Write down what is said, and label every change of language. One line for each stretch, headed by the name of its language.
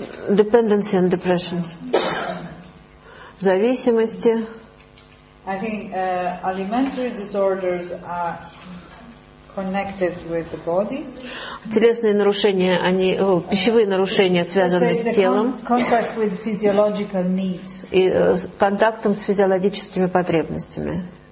English: Dependency and depression.
Russian: Зависимости.
English: I think alimentary disorders are connected with the body.
Russian: Телесные нарушения, они, пищевые нарушения связаны с телом.
English: Contact with physiological needs.
Russian: И контактом с физиологическими потребностями.